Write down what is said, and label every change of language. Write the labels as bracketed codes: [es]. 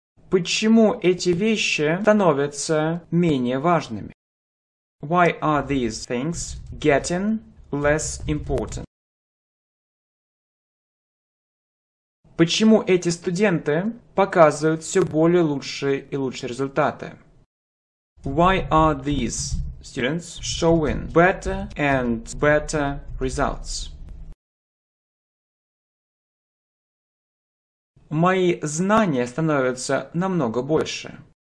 [ru] Почему эти вещи становятся менее важными? [en] Why are these things getting less important? [ru] Почему эти студенты показывают все более лучшие и лучшие результаты? [en] Why are these students showing better and better results? [ru] Мои знания становятся намного больше.